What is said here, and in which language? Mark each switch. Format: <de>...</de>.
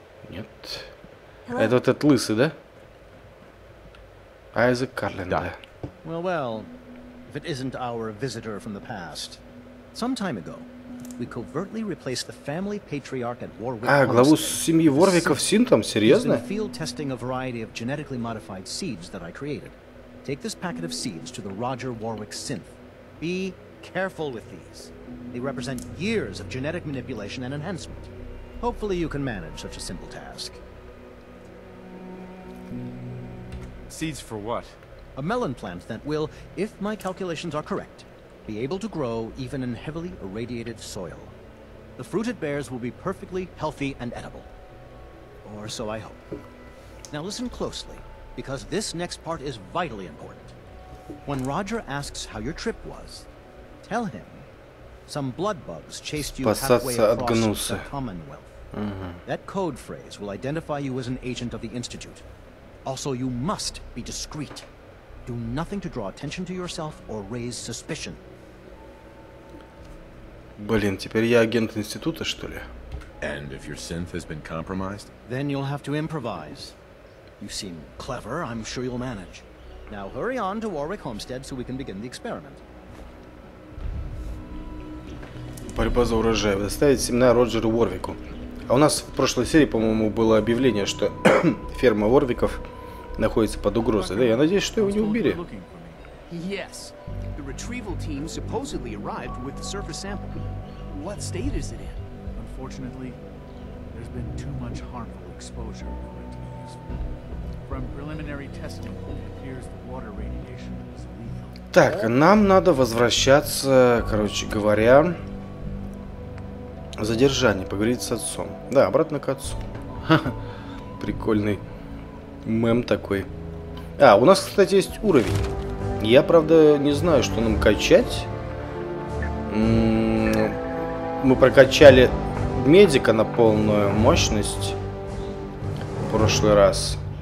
<ru>Нет.</ru> <en>Hello?</en> <ru>Это вот этот лысый, да? Айзек Карлин, да.</ru> <en>Well, if it isn't our visitor from the past. Some time ago, we covertly replaced the family patriarch at Warwick.</en> <ru>А, главу семьи Ворвиков синтом, серьёзно?</ru> <en>In field testing a variety of genetically modified seeds that I created. Take this packet of seeds to the Roger Warwick synth. Be careful with these. They represent years of genetic manipulation and enhancement. Hopefully you can manage such a simple task. Seeds for what? A melon plant that will, if my calculations are correct, be able to grow even in heavily irradiated soil. The fruit it bears will be perfectly healthy and edible. Or so I hope. Now listen closely, because this next part is vitally important. When Roger asks how your trip was, tell him some blood bugs chased you halfway across the Commonwealth. That code phrase will identify you as an agent of the Institute. Also, you must be discreet. Do nothing to draw attention to yourself or raise suspicion.</en> <ru>Блин, теперь я агент института, что ли?</ru> <en>And if your synth has been compromised? Then you'll have to improvise. You seem clever, I'm sure you'll manage. Now hurry on to Warwick Homestead so we can begin the experiment.</en> <ru>Борьба за урожай. Доставить семена Роджеру Уорвику. А у нас в прошлой серии, по-моему, было объявление, что ферма Уорвиков находится под угрозой. Да, я надеюсь, что его не убили.</ru> <en>Yes. The retrieval team supposedly arrived with the surface sample. What state is it in? Unfortunately, there's been too much harmful exposure for it to be useful. From preliminary testing, it appears the water radiation is lethal.</en> <ru>Так, нам надо возвращаться, короче говоря, в задержание, поговорить с отцом. Да, обратно к отцу. Ха-ха. Прикольный мем такой. А, у нас, кстати, есть уровень. Я, правда, не знаю, что нам качать. Мы прокачали медика на полную мощность в прошлый раз.</ru>